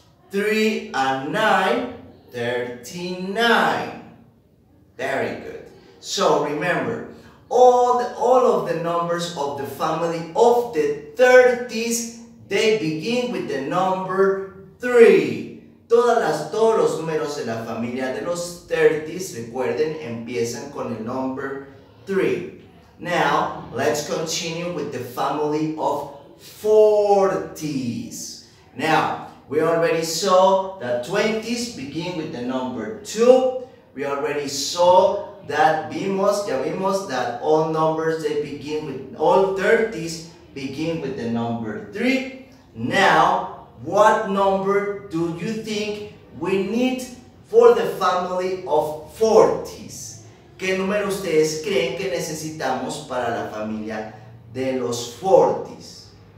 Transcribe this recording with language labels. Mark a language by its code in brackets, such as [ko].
[en] 3 and 9, 39. Very good. So remember, all of the numbers of the family of the 30s, they begin with the number 3. [es] Todos los números de la familia de los 30s, recuerden, empiezan con el number 3. [en] Now, let's continue with the family of 40s. Now, we already saw that 20s begin with the number 2. We already saw that [es] ya vimos [en] that all numbers they begin with, all 30s begin with the number 3. Now, what number do you think we need for the family of 40s? [es] ¿Qué número ustedes creen que necesitamos para la familia de los 40s?